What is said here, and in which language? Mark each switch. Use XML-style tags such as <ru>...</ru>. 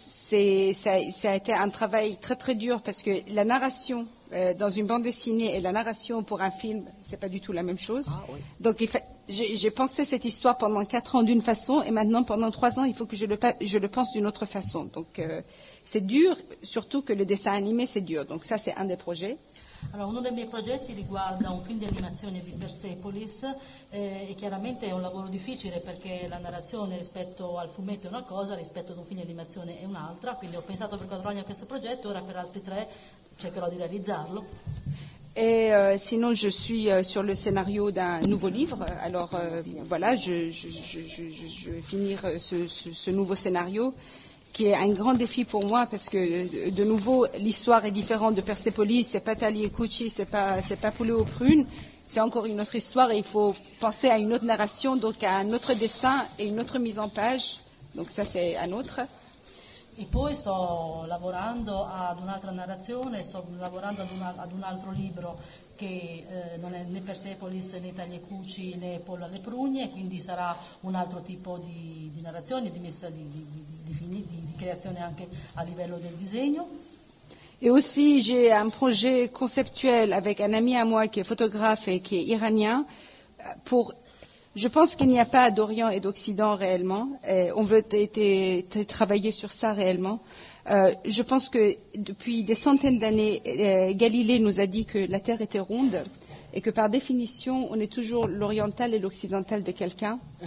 <fr>Ça a été un travail très très dur, parce que la narration dans une bande dessinée et la narration pour un film, c'est pas du tout la même chose. Ah, oui. Donc j'ai pensé cette histoire pendant 4 ans d'une façon, et maintenant pendant 3 ans il faut que je le pense d'une autre façon. Donc c'est dur, surtout que le dessin animé c'est dur. Donc ça c'est un des projets.</fr> <it>Allora, uno dei miei progetti riguarda un film di animazione di Persepolis, e chiaramente è un lavoro difficile, perché la narrazione rispetto al fumetto è una cosa, rispetto ad un film di animazione è un'altra, quindi ho pensato per 4 anni a questo progetto, ora per altri 3 cercherò di realizzarlo.</it> <fr>Et sinon je suis sur le scénario d'un nouveau livre, alors voilà, je vais finir ce nouveau scénario, qui est un grand défi pour moi, parce que de nouveau l'histoire est différente de Persepolis, c'est pas Tali et Cucci, c'est pas Poulet aux prunes, c'est encore une autre histoire, et il faut penser à une autre narration, donc à un autre dessin et une autre mise en page, donc ça c'est un autre.</fr> <it>E poi sto lavorando ad un'altra narrazione, sto lavorando ad un altro libro che non è né Persepolis, né Taglie Cuci, né Pollo alle prugne, quindi sarà un altro tipo di narrazione, di messa di creazione anche a livello del disegno.</it> <fr>E aussi j'ai un projet conceptuel avec un ami à moi qui est photographe et qui est iranien. Pour Je pense qu'il n'y a pas d'Orient et d'Occident réellement. Et on veut travailler sur ça réellement. Je pense que depuis des centaines d'années, Galilée nous a dit que la Terre était ronde et que par définition, on est toujours l'oriental et l'occidental de quelqu'un.</fr>